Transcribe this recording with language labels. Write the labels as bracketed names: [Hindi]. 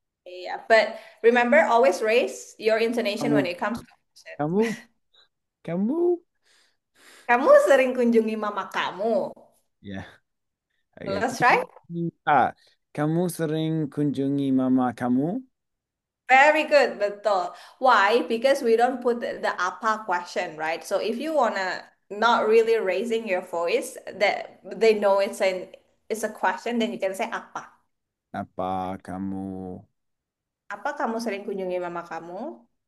[English] Yeah, but remember, always raise your intonation when it comes to [Indonesian] Kamu, kamu, kamu sering kunjungi mama kamu. [English] yeah, okay. Let's try. [Indonesian] Kamu sering kunjungi mama kamu? [English] Very good, betul. Why? Because we don't put the apa question, right? So if you wanna not really raising your voice, that they know it's a question, then you can say apa. [Indonesian] Apa kamu? Apa kamu sering kunjungi mama kamu?